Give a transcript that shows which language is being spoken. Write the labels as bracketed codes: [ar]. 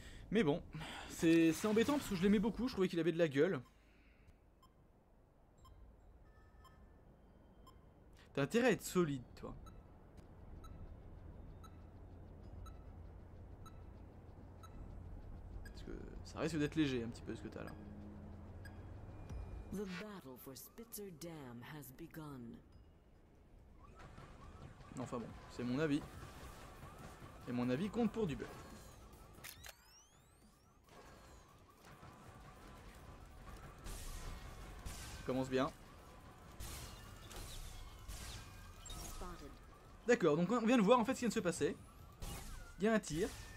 [fr] Mais bon, c'est embêtant parce que je l'aimais beaucoup, je trouvais qu'il avait de la gueule. T'as intérêt à être solide, toi. Parce que ça risque d'être léger un petit peu ce que t'as là. [en] The battle for Spitzer Dam has begun. [fr] Enfin bon, c'est mon avis. Et mon avis compte pour du beurre. Commence bien. D'accord, donc on vient de voir en fait ce qui vient de se passer. Il y a un tir.